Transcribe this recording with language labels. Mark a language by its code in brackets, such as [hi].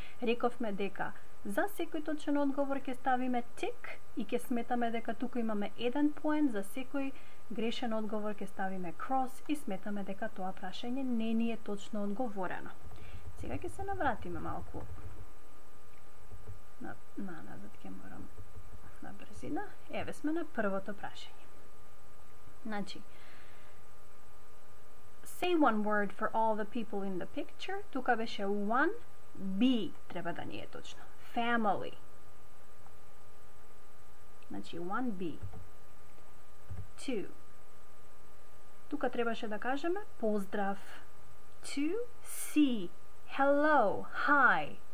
[mk] Рековме дека за секој точен одговор ќе ставиме тик и ќе сметаме дека тука имаме еден поен, за секој грешен одговор ќе ставиме крос и сметаме дека тоа прашање не ни е точно одговорено. Сега ќе се навратиме малку наназад, ќе морам на брзина. Еве сме на првото прашање. Значи, [en] say one word for all the people in the picture. [mk] Тука беше [en] one, [mk] be, треба да ни е точно. [en] Family. [mk] Значи, [en] one [mk] B. [en] Two. [mk] Тука требаше да кажеме поздрав. [en] Two C. Hello, hi.